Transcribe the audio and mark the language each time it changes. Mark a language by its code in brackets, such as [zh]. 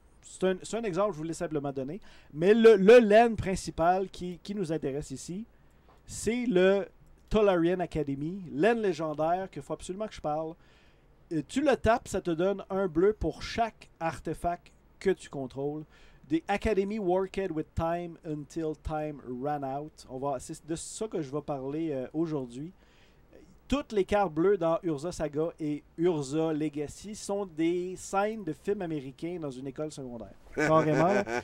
[fr] C'est un exemple que je voulais simplement donner. Mais le laine principal qui nous intéresse ici. C'est le Tolarian Academy, laine légendaire qu'il faut absolument que je parle. Et tu le tapes, ça te donne un bleu pour chaque artefact que tu contrôles. [en] The Academy worked with time until time ran out. [fr] C'est de ça que je vais parler aujourd'hui. Toutes les cartes bleues dans Urza Saga et Urza Legacy sont des scènes de films américains dans une école secondaire. Carrément.